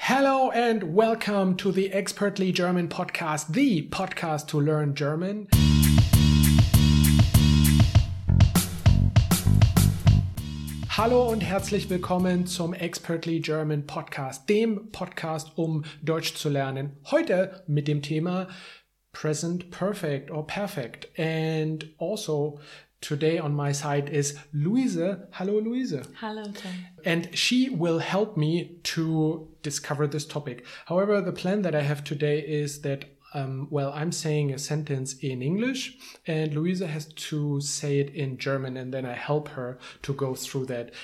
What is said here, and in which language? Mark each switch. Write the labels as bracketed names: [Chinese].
[English] Hello and welcome to the Expertly German podcast, the podcast to learn German. [German] Hallo und herzlich willkommen zum Expertly German Podcast, dem Podcast, um Deutsch zu lernen. Heute mit dem Thema Present Perfect or Perfect. [English] And also today on my side is Luise. [German] Hallo, Luise. Hallo, Tom. [English] And she will help me to discover this topic. However, the plan that I have today is that, I'm saying a sentence in English and Luise has to say it in German and then I help her to go through that.